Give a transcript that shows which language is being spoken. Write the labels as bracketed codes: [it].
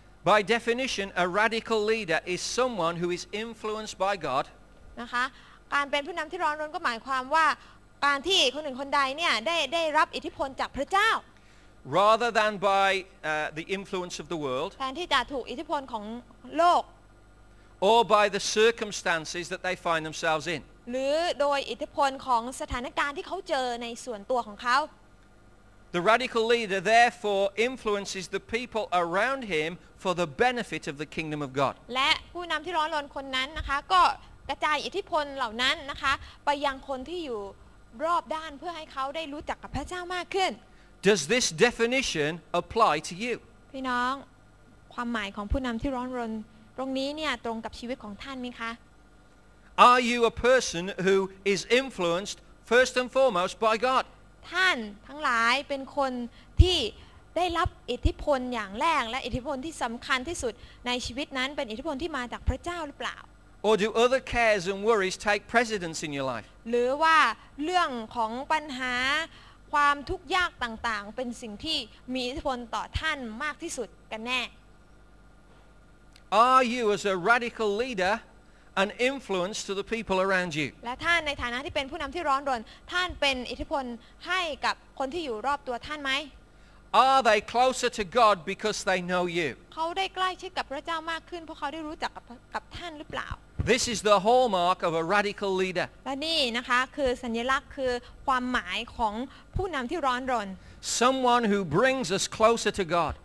[en] By definition a radical leader is someone who is influenced by God [th] นะคะการเป็นผู้นำที่ร้อนรนก็หมายความว่าการที่คนหนึ่งคนใดเนี่ยได้รับอิทธิพลจากพระเจ้า [en] rather than by the influence of the world [th] แทนที่จะถูกอิทธิพลของโลก [en] or by the circumstances that they find themselves in [th] หรือโดยอิทธิพลของสถานการณ์ที่เขาเจอในส่วนตัวของเขา [en] The radical leader therefore influences the people around him for the benefit of the kingdom of God. [th] และผู้นำที่ร้อนรนคนนั้นนะคะก็กระจายอิทธิพลเหล่านั้นนะคะไปยังคนที่อยู่รอบด้านเพื่อให้เขาได้รู้จักกับพระเจ้ามากขึ้น [en] Does this definition apply to you? [th] พี่น้องความหมายของผู้นำที่ร้อนรนตรงนี้เนี่ยตรงกับชีวิตของท่านมั้ยคะ [en] Are you a person who is influenced first and foremost by God? [th] ท่านทั้งหลายเป็นคนที่ได้รับอิทธิพลอย่างแรกและอิทธิพลที่สำคัญที่สุดในชีวิตนั้นเป็นอิทธิพลที่มาจากพระเจ้าหรือเปล่า [en] Or do other cares and worries take precedence in your life? [th] หรือว่าเรื่องของปัญหาความทุกข์ยากต่างๆเป็นสิ่งที่มีอิทธิพลต่อท่านมากที่สุดกันแน่ [en] Are you as a radical leader an influence to the people around you [th] และท่านในฐานะที่เป็นผู้นำที่ร้อนรนท่านเป็นอิทธิพลให้กับคนที่อยู่รอบตัวท่านไหม [en] Are they closer to God because they know you [th] เขาได้ใกล้ชิดกับพระเจ้ามากขึ้นเพราะเขาได้รู้จักกับท่านหรือเปล่า [en] This is the hallmark of a radical leader [th] และนี่นะคะคือสัญลักษณ์คือความหมายของผู้นำที่ร้อนรน [en] Someone who brings us closer to God